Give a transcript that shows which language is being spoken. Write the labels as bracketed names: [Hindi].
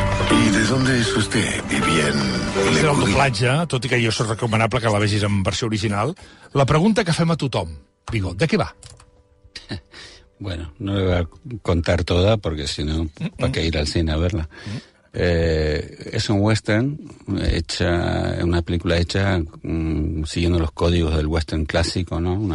[Spanish] ¿Y de dónde es usted, Vivien? [Catalan] És el doblatge, tot i que jo soc recomanable que la vegis en versió original. La pregunta que fem a tothom, Viggo, de què va? [Spanish] Bueno, no le voy a contar toda, porque si no, ¿para qué ir al cine a verla? Es un western, una película hecha siguiendo los códigos del western clásico, ¿no?